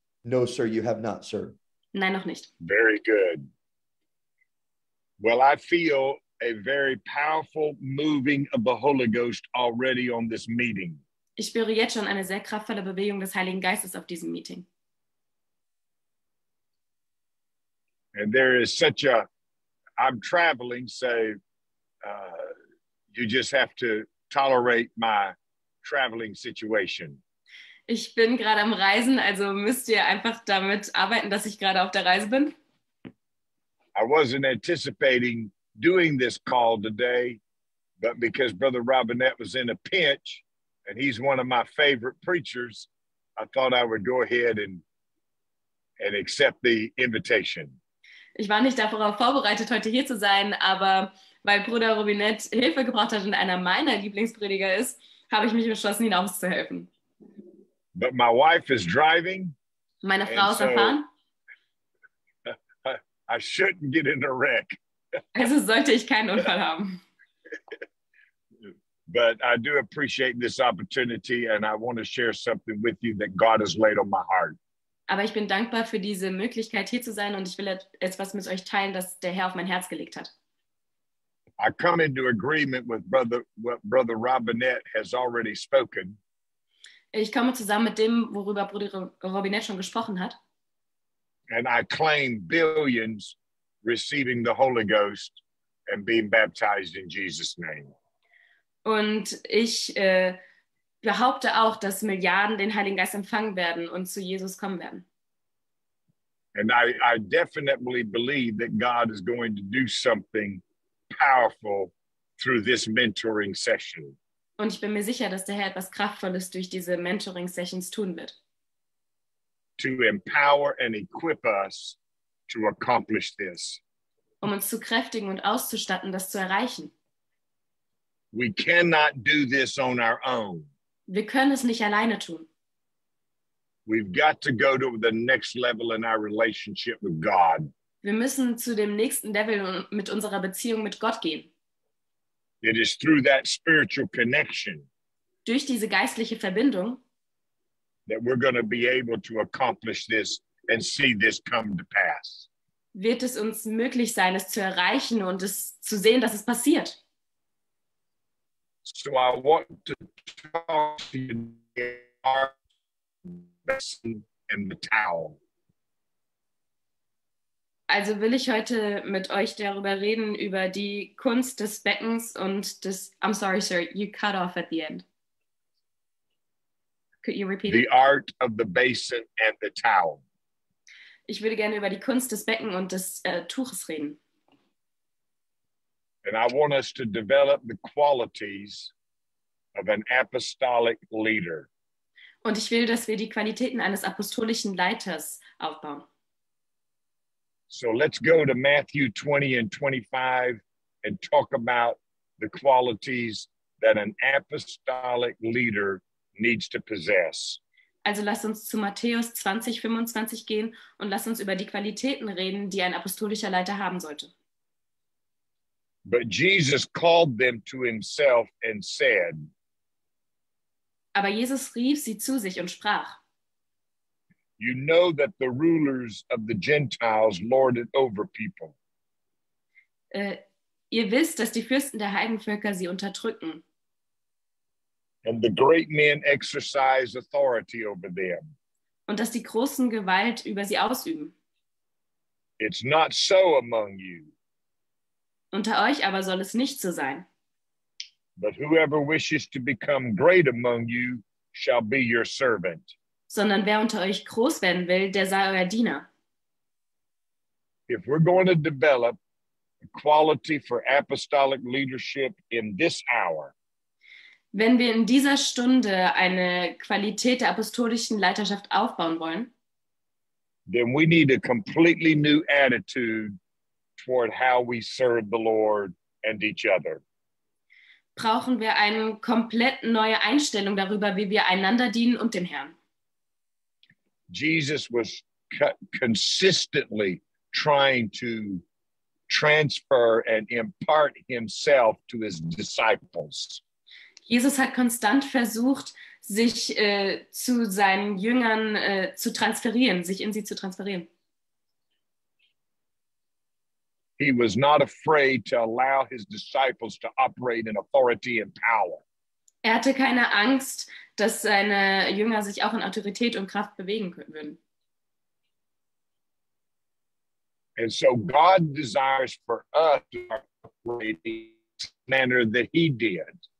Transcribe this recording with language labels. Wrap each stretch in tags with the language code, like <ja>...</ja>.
<en>No, sir, you have not, sir.</en> <de>Nein, noch nicht.</de> <en>Very good. Well, I feel a very powerful moving of the Holy Ghost already on this meeting.</en> <de>Ich spüre jetzt schon eine sehr kraftvolle Bewegung des Heiligen Geistes auf diesem Meeting.</de> <en>And there is such a, I'm traveling, so you just have to tolerate my traveling situation.</en> <de>Ich bin gerade am Reisen, also müsst ihr einfach damit arbeiten, dass ich gerade auf der Reise bin.</de> <en>I wasn't anticipating doing this call today, but because Brother Robinette was in a pinch, and he's one of my favorite preachers, I thought I would go ahead and accept the invitation.</en> <de>Ich war nicht darauf vorbereitet, heute hier zu sein, aber weil Bruder Robinette Hilfe gebraucht hat und einer meiner Lieblingsprediger ist, habe ich mich entschlossen, ihn auszuhelfen.</de> <en>But my wife is driving.</en> <de>Meine Frau ist erfahren.</de> <en>I shouldn't get in a wreck.</en> <de>Also sollte ich keinen Unfall haben.</de> <en>But I do appreciate this opportunity and I want to share something with you that God has laid on my heart.</en> <de>Aber ich bin dankbar für diese Möglichkeit hier zu sein und ich will etwas mit euch teilen, das der Herr auf mein Herz gelegt hat.</de> <en>I come into agreement with what Brother Robinette has already spoken.</en> <de>Ich komme zusammen mit dem, worüber Bruder Robinette schon gesprochen hat.</de> <en>And I claim billions receiving the Holy Ghost and being baptized in Jesus' name.</en> <de>Und ich behaupte auch, dass Milliarden den Heiligen Geist empfangen werden und zu Jesus kommen werden.</de> <en>And I definitely believe that God is going to do something powerful through this mentoring session.</en> <de>Und ich bin mir sicher, dass der Herr etwas Kraftvolles durch diese Mentoring Sessions tun wird.</de> <en>To empower and equip us to accomplish this.</en> <de>Um uns zu kräftigen und auszustatten, das zu erreichen.</de> <en>We cannot do this on our own.</en> <de>Wir können es nicht alleine tun.</de> <en>We've got to go to the next level in our relationship with God.</en> <de>Wir müssen zu dem nächsten Level mit unserer Beziehung mit Gott gehen.</de> <en>It is through that spiritual connection.</en> <de>Durch diese geistliche Verbindung.</de> <en>That we're going to be able to accomplish this and see this come to pass.</en> <de>Wird es uns möglich sein, es zu erreichen und es zu sehen, dass es passiert?</de> <en>So I want to talk to you about the basin and the towel.</en> <de>Also will ich heute mit euch darüber reden, über die Kunst des Beckens und des...</de> <en>I'm sorry, sir, you cut off at the end. Could you repeat it? The art of the basin and the towel.</en> <de>Ich würde gerne über die Kunst des Beckens und des Tuches reden.</de> <en>And I want us to develop the qualities of an apostolic leader.</en> <de>Und ich will, dass wir die Qualitäten eines apostolischen Leiters aufbauen.</de> <en>So let's go to Matthew 20 and 25 and talk about the qualities that an apostolic leader needs to possess.</en> <de>Also lasst uns zu Matthäus 20, 25 gehen und lasst uns über die Qualitäten reden, die ein apostolischer Leiter haben sollte.</de> <en>But Jesus called them to himself and said,</en> <de>aber Jesus rief sie zu sich und sprach,</de> <en>you know that the rulers of the Gentiles lord it over people.</en> <de>Ihr wisst, dass die Fürsten der Heidenvölker sie unterdrücken.</de> <en>And the great men exercise authority over them.</en> <de>Und dass die großen Gewalt über sie ausüben.</de> <en>It's not so among you.</en> <de>Unter euch aber soll es nicht so sein.</de> <en>But whoever wishes to become great among you shall be your servant.</en> <de>Sondern wer unter euch groß werden will, der sei euer Diener.</de> <en>If we're going to develop quality for apostolic leadership in this hour,</en> <de>wenn wir in dieser Stunde eine Qualität der apostolischen Leiterschaft aufbauen wollen,</de> <en>then we need a completely new attitude toward how we serve the Lord and each other.</en> <de>Brauchen wir eine komplett neue Einstellung darüber, wie wir einander dienen und dem Herrn.</de> <en>Jesus was consistently trying to transfer and impart himself to his disciples.</en> <de>Jesus hat konstant versucht, sich zu seinen Jüngern zu transferieren, sich in sie zu transferieren.</de> <en>He was not afraid to allow his disciples to operate in authority and power.</en> <de>Er hatte keine Angst, dass seine Jünger sich auch in Autorität und Kraft bewegen würden.</de> <en>And so God desires for us to operate in the manner that he did.</en>